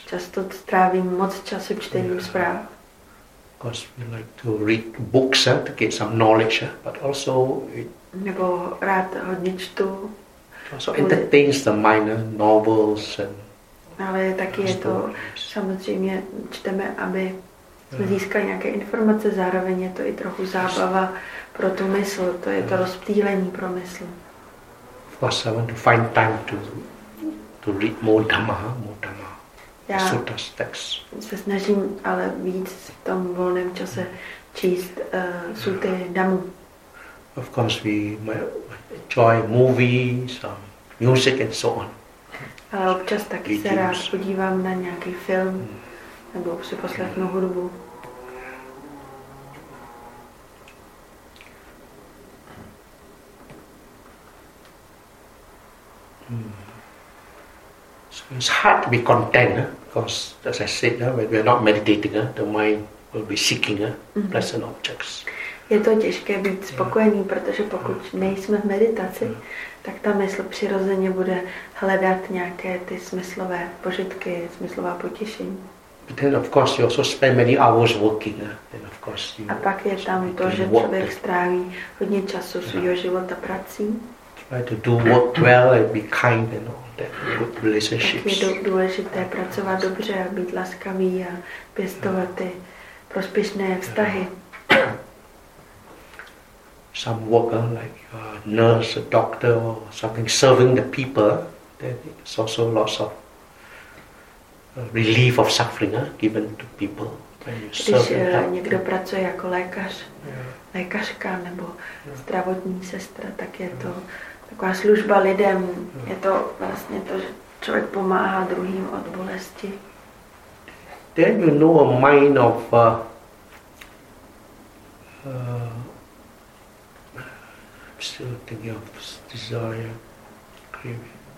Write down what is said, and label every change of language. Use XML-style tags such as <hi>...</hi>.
<cs>Často strávím moc času čtením zpráv.</cs> <en>Because we like to read books to get some knowledge, but also it.</en> <cs>Nebo rád hodně čtu.</cs> <en>Also entertains the mind, novels and.</en> <cs>Ale taky je to stories. Samozřejmě čteme, aby jsme získali nějaké informace, zároveň je to i trochu zábava pro tu mysl, to je to rozptýlení pro mysl.</cs> <en>Of course, I want to find time to read more dhamma, sutras, texts.</en> <cs>Se snažím ale víc v tom volném čase číst suty dhammu.</cs> <en>Of course, we might enjoy movies, music and so on.</en> <cs>Ale občas taky se rád podívám na nějaký film. Nebo si poslechnu hudbu.</cs> <en>So it's hard to be content, because as I said, when we are not meditating, the mind will be seeking pleasant objects.</en> <cs>Je to těžké být spokojený, protože pokud nejsme v meditaci, tak ta mysl přirozeně bude hledat nějaké ty smyslové požitky, smyslová potěšení.</cs> <en>But then of course you also spend many hours working, then of course you.</en> <cs>A pak je tam to, že člověk stráví hodně času svýho života prací.</cs> <en>Try to do work well and be kind and all that, good relationships.</en> <cs>Tak je důležité pracovat dobře a být laskavý a pěstovat ty prospěšné vztahy.</cs> <en>Some work, like a nurse, a doctor or something, serving the people, then it's also lots of relief of suffering given to people.</en> <cs>Když někdo pracuje jako lékař, lékařka nebo zdravotní sestra, tak je to taková služba lidem. Je to vlastně to, že člověk pomáhá druhým od bolesti.</cs> <en>Then you know a mind of still thinking of desire, craving.</en>